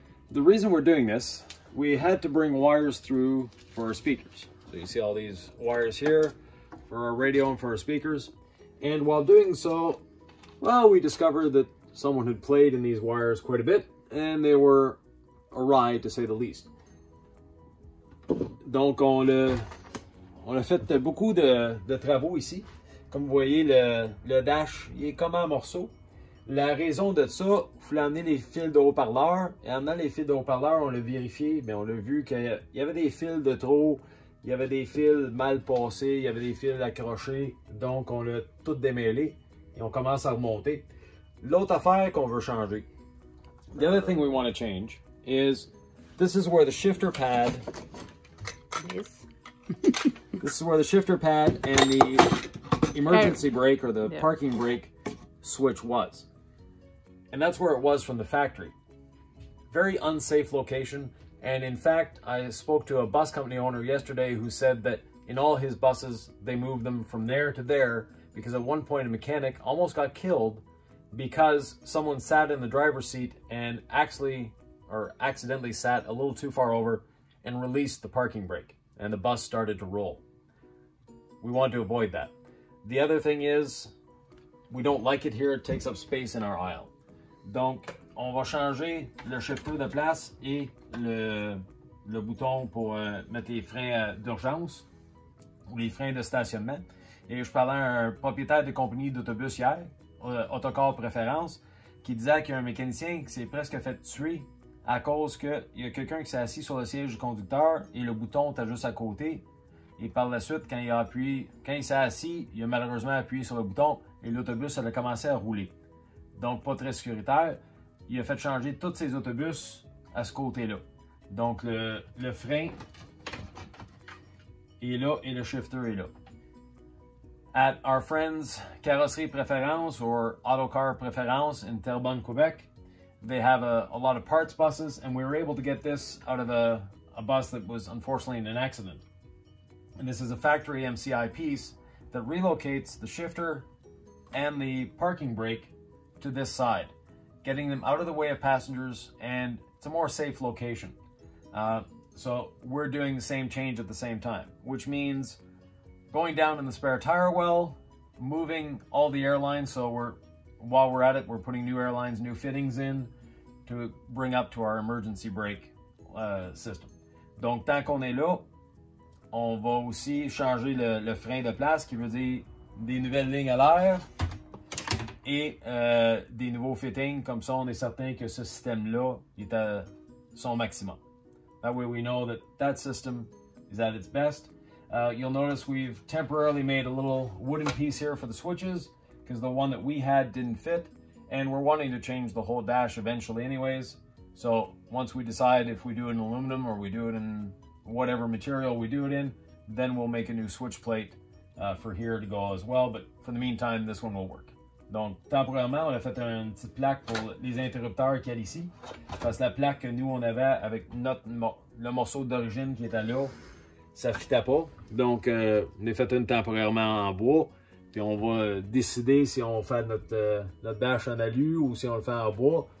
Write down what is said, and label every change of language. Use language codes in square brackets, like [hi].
[en] The reason we're doing this, we had to bring wires through for our speakers. So you see all these wires here for our radio and for our speakers. And while doing so, well, we discovered that someone had played in these wires quite a bit, and they were awry, to say the least. [fr] Donc, on a fait beaucoup de travaux ici. Comme vous voyez, le dash, il est comme un morceau. La raison de ça, il fallait amener les fils de haut-parleur. Et en amenant les fils de haut-parleur, on l'a vérifié, mais on a vu qu'il y avait des fils de trop, il y avait des fils mal passés, il y avait des fils accrochés. Donc, on l'a tout démêlé et on commence à remonter. L'autre affaire qu'on veut changer. [en] The other thing we want to change is this is where the shifter pad. Yes. This is where the shifter pad and the emergency brake or the parking brake switch was. And that's where it was from the factory. Very unsafe location. And in fact, I spoke to a bus company owner yesterday who said that in all his buses, they moved them from there to there because at one point a mechanic almost got killed because someone sat in the driver's seat and accidentally sat a little too far over and released the parking brake and the bus started to roll. We want to avoid that. The other thing is, we don't like it here, it takes up space in our aisle. [fr] Donc, on va changer le shifter de place et le bouton pour mettre les freins d'urgence ou les freins de stationnement. Et je parlais à un propriétaire de compagnie d'autobus hier, Autocar Préférence, qui disait qu'il y a un mécanicien qui s'est presque fait tuer à cause qu'il y a quelqu'un qui s'est assis sur le siège du conducteur et le bouton était juste à côté. Et par la suite, quand il s'est assis, il a malheureusement appuyé sur le bouton et l'autobus a commencé à rouler. Donc, pas très sécuritaire. Il a fait changer tous ses autobus à ce côté-là. Donc, le frein est là et le shifter est là. [en] At our friends Carrosserie Préférence or Autocar Préférence in Terrebonne, Quebec, they have a lot of parts buses, and we were able to get this out of a bus that was unfortunately in an accident. And this is a factory MCI piece that relocates the shifter and the parking brake to this side, getting them out of the way of passengers, and it's a more safe location. So we're doing the same change at the same time, which means going down in the spare tire well, moving all the airlines, so while we're at it, we're putting new airlines, new fittings in to bring up to our emergency brake system. [fr] Donc, tant qu'on est là, on va aussi changer le frein de place, qui veut dire des nouvelles lignes à l'air et des nouveaux fittings. Comme ça, on est certain que ce système-là est à son maximum. [en] That way we know that system is at its best. You'll notice we've temporarily made a little wooden piece here for the switches because the one that we had didn't fit, and we're wanting to change the whole dash eventually anyways. So once we decide if we do it in aluminum or we do it in whatever material we do it in, then we'll make a new switch plate for here to go as well. But for the meantime, this one will work. [fr] Donc, temporairement, on a fait une petite plaque pour les interrupteurs qu'il y a ici. Parce que la plaque que nous, on avait avec le morceau d'origine qui était là, ça ne fitait pas. Donc, on a fait une temporairement en bois. Puis on va décider si on fait notre bâche en alu ou si on le fait en bois.